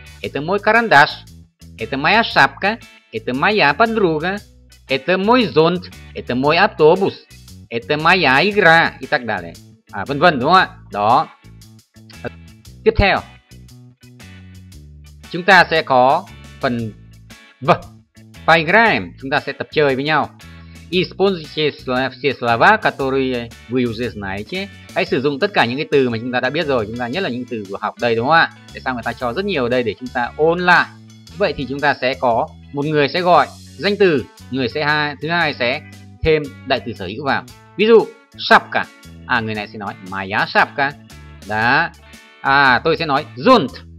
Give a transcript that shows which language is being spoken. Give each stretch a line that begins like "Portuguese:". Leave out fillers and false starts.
Russian: Это мой карандаш. Это моя шапка. Это моя подруга. Это мой зонт. Это мой автобус. Это моя игра. И так далее.
Vietnamese: À, vân vân, đúng không ạ? Đó. Tiếp theo, chúng ta sẽ có phần V. Pygram, chúng ta sẽ tập chơi với nhau.
Russian: Используйте все слова, которые вы уже знаете.
Vietnamese: Hãy sử dụng tất cả những cái từ mà chúng ta đã biết rồi. Chúng ta nhất là những từ vừa học đây, đúng không ạ? Tại sao người ta cho rất nhiều ở đây để chúng ta ôn lại? Vậy thì chúng ta sẽ có một người sẽ gọi danh từ, người sẽ hai, thứ hai sẽ thêm đại từ sở hữu vào. Ví dụ, шапка. À, người này sẽ nói
Russian: моя шапка.
Vietnamese: Đó. À, tôi sẽ nói зонт.